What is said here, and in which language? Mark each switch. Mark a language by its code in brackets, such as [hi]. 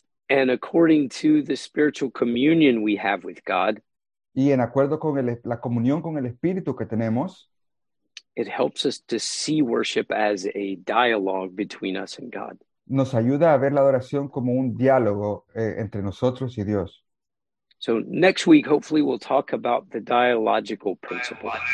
[en] And according to the spiritual communion we have with God. [es] Y en acuerdo con la comunión con el espíritu que tenemos. [en] It helps us to see worship as a dialogue between us and God. [es] Nos ayuda a ver la adoración como un diálogo entre nosotros y Dios. [en] So next week, hopefully, we'll talk about the dialogical principle.